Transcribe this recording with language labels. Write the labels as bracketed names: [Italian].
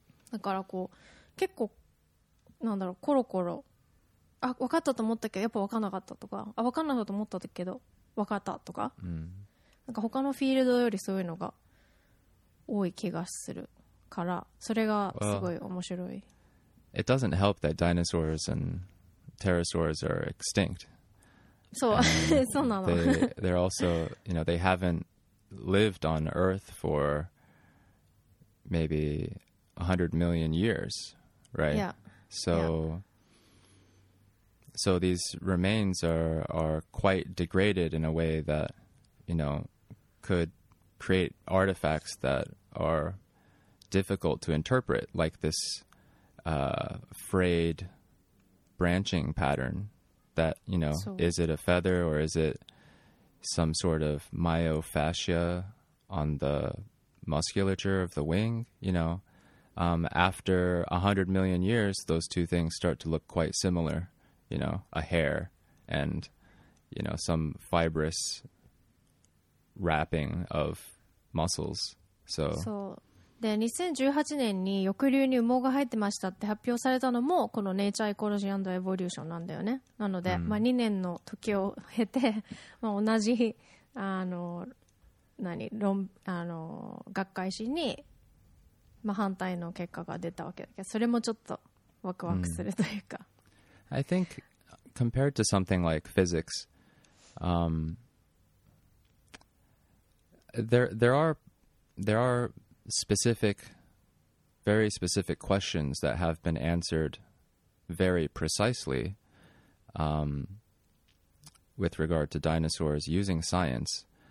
[Japanese] だからこう結構なんだろう、コロコロ、あ分かったと思ったけどやっぱ分かんなかったとか、あ分かんなかったと思ったけど分かったとか、なんか他のフィールドよりそういうのが多い気がするから、それがすごい面白い。 [English] It doesn't help that dinosaurs and pterosaurs are extinct. So, so なの。 They're also, you know, they haven't lived on Earth for maybe 100 million years, right? Yeah. So, so these remains are quite degraded in a way that, you know, could create artifacts that are difficult to interpret, like this frayed branching pattern that, you know, so, is it a feather or is it some sort of myofascia on the musculature of the wing, you know, after 100 million years, those two things start to look quite similar, you know, a hair and, you know, some fibrous wrapping of muscles. So, so. [Japanese] で2018年に翼竜に羽毛が入ってましたって発表されたのもこのネイチャーエコロジー&エボリューションなんだよね。なので、うん、まあ、2年の時を経てまあ同じあの何論あの学会誌に、まあ、反対の結果が出たわけだけど、それもちょっとワクワクするというか、 [English] うん、I think compared to something like physics、there are specific, very specific questions that have been answered very precisely, with regard to dinosaurs using science.